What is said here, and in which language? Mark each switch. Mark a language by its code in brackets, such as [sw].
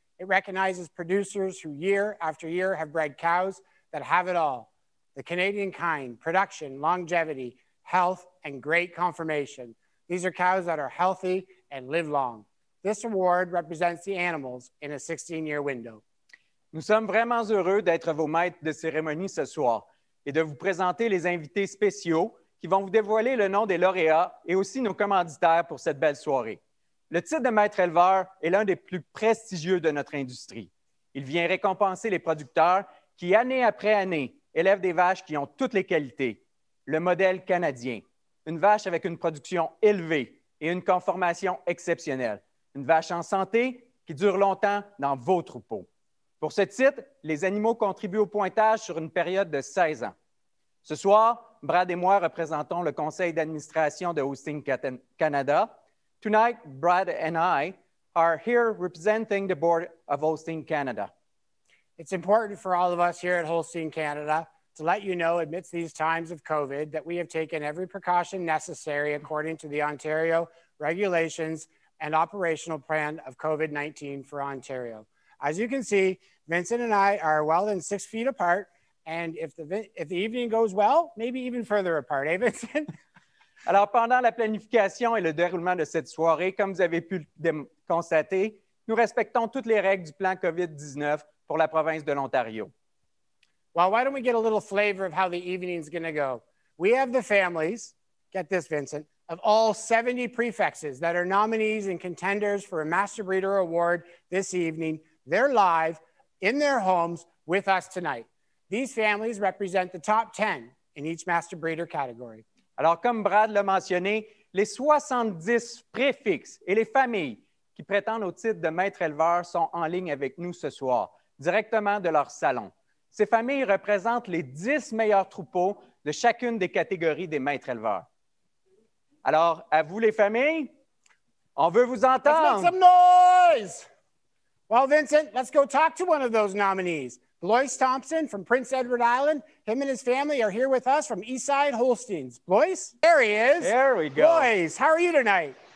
[en] It recognizes producers who year after year have bred cows that have it all: the Canadian kind, production, longevity, health, and great conformation. These are cows that are healthy and live long. This award represents the animals in a 16-year window. [fr] Nous sommes vraiment heureux d'être vos maîtres de cérémonie ce soir et de vous présenter les invités spéciaux qui vont vous dévoiler le nom des lauréats et aussi nos commanditaires pour cette belle soirée. Le titre de maître éleveur est l'un des plus prestigieux de notre industrie. Il vient récompenser les producteurs qui, année après année, élèvent des vaches qui ont toutes les qualités. Le modèle canadien, une vache avec une production élevée et une conformation exceptionnelle. Une vache en santé qui dure longtemps dans vos troupeaux. Pour ce titre, les animaux contribuent au pointage sur une période de 16 ans. Ce soir, Brad et moi représentons le conseil d'administration de Hosting Canada. [en] Tonight, Brad and I are here representing the board of Hosting Canada. It's important for all of us here at Hosting Canada to let you know amidst these times of COVID that we have taken every precaution necessary according to the Ontario regulations and operational plan of COVID-19 for Ontario. As you can see, Vincent and I are well in 6 feet apart, and if the evening goes well, maybe even further apart, eh, Vincent? [fr] Alors, pendant la planification et le déroulement de cette soirée, comme vous avez pu le constater, nous respectons toutes les règles du plan COVID-19 pour la province de l'Ontario. [en] Well, why don't we get a little flavor of how the evening's going to go? We have the families, get this, Vincent, of all 70 prefixes that are nominees and contenders for a Master Breeder Award this evening. They're live in their homes with us tonight. These families represent the top 10 in each Master Breeder category. [fr] Alors, comme Brad l'a mentionné, les 70 préfixes et les familles qui prétendent au titre de maître éleveur sont en ligne avec nous ce soir, directement de leur salon. Ces familles représentent les 10 meilleurs troupeaux de chacune des catégories des maîtres éleveurs. Alors, à vous les familles, on veut vous entendre. [en] Let's make some noise! Well, Vincent, let's go talk to one of those nominees. Blois Thompson from Prince Edward Island. Him and his family are here with us from Eastside Holsteins. Blois, there he is. There we go. Blois, how are you tonight?